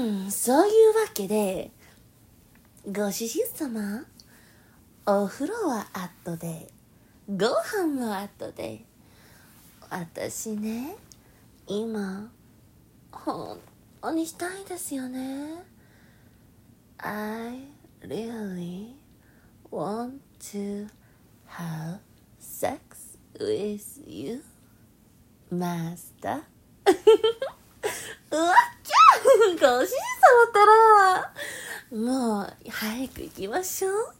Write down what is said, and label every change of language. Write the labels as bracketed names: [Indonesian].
[Japanese] そういうわけで、ご主人様、お風呂は後で、ご飯も後で、私ね、今本当にしたいですよね。 [English] I really want to have sex with you, master. [Japanese] うわっちゃご主人様ったら。もう早く行きましょう。